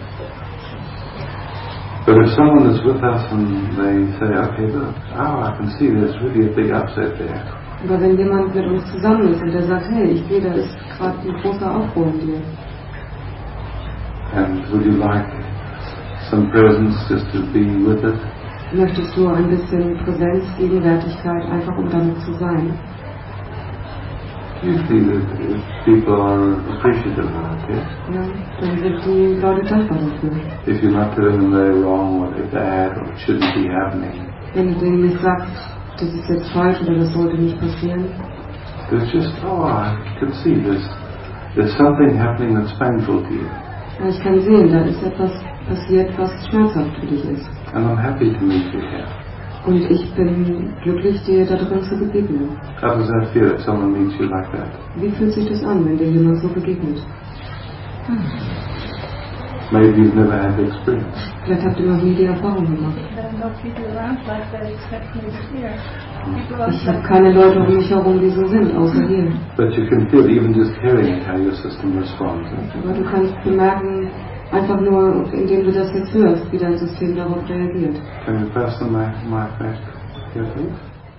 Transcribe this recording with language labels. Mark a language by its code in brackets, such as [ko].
[en] But if someone is with us and they say, okay, look, oh, I can see there's really a big upset there. [de] Aber wenn jemand mit uns zusammen ist und der sagt, hey, ich sehe, da ist gerade ein großer Aufruhr in dir. [en] And would you like some presence just to be with it? [de] Möchtest du ein bisschen Präsenz, Gegenwärtigkeit, einfach um damit zu sein? [en] You see that people are appreciative of that, yes? [de] Ja, dann sind die Leute dankbar dafür. [en] If you're not telling them they're wrong or they're bad or it shouldn't be happening. [de] Wenn du denen nicht sagst, das ist jetzt falsch oder das sollte nicht passieren. [en] It's just, oh, I can see there's something happening that's painful to you. [de] Ja, ich kann sehen, da ist etwas passiert, was schmerzhaft für dich ist. [en] And I'm happy to meet you here. [de] Und ich bin glücklich, dir da drin zu begegnen. [en] How does that feel if someone meets you like that? [de] Wie fühlt sich das an, wenn dir jemand so begegnet? [en] Maybe you've never had the experience. [de] Vielleicht habt ihr noch nie die Erfahrung gemacht. Ich habe keine Leute um mich herum, die so sind, außer hier. [en] But you can feel even just hearing how your system responds. [de] Aber du kannst bemerken, einfach nur, indem du das jetzt hörst, wie dein System darauf reagiert. [en] Can you pass the mic back here, please?